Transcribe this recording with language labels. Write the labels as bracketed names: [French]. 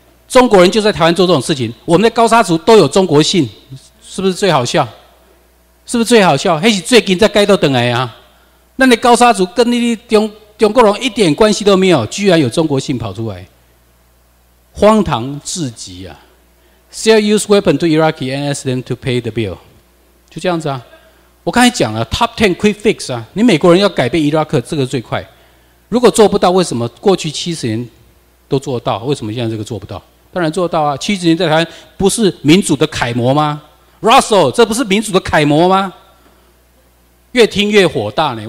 [Chinese] 中国人就在台湾做这种事情。我们的高沙族都有中国姓，是不是最好笑？是不是最好笑？那是最近在街道回来啊。那你高沙族跟你的中国人一点关系都没有，居然有中国姓跑出来，荒唐至极啊！ [English] Sell used weapon to Iraqi and ask them to pay the bill， [Chinese] 就这样子啊。我刚才讲了 Top 10 quick fix 啊，你美国人要改变伊拉克，这个最快。如果做不到，为什么过去70年都做到？为什么现在这个做不到？当然做到啊！ 70年在台湾不是民主的楷模吗？ Russell， 这不是民主的楷模吗？越听越火大呢。